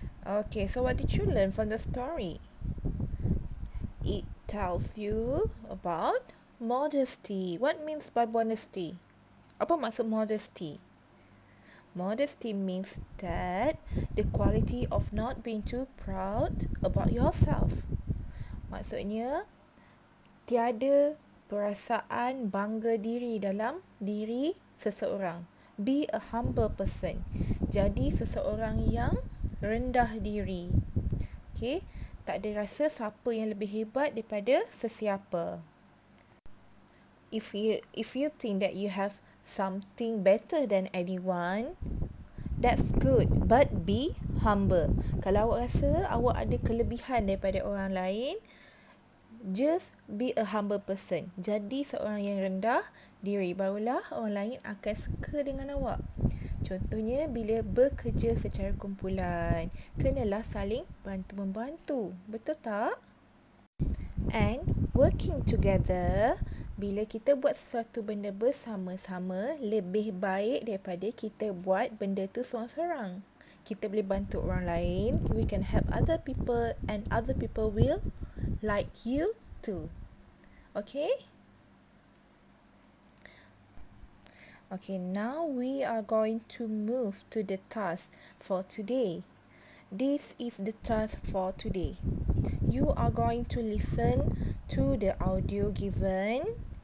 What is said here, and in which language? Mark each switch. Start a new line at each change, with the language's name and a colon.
English: Okay, so what did you learn from the story? It tells you about modesty. What means by modesty?
Malay: Apa maksud modesty?
English: Modesty means that the quality of not being too proud about yourself.
Malay: Maksudnya, tiada perasaan bangga diri dalam diri seseorang.
English: Be a humble person.
Malay: Jadi seseorang yang rendah diri. Okay? Tak ada rasa siapa yang lebih hebat daripada sesiapa.
English: If you think that you have something better than anyone, that's good. But be humble.
Malay: Kalau awak rasa awak ada kelebihan daripada orang lain,
English: just be a humble person.
Malay: Jadi seorang yang rendah diri. Barulah orang lain akan suka dengan awak. Contohnya, bila bekerja secara kumpulan, kenalah saling bantu-membantu. Betul tak?
English: And working together,
Malay: bila kita buat sesuatu benda bersama-sama, lebih baik daripada kita buat benda tu seorang-seorang. Kita boleh bantu orang lain.
English: We can help other people and other people will like you too. Okay? Okay, now we are going to move to the task for today. This is the task for today. You are going to listen to the audio given.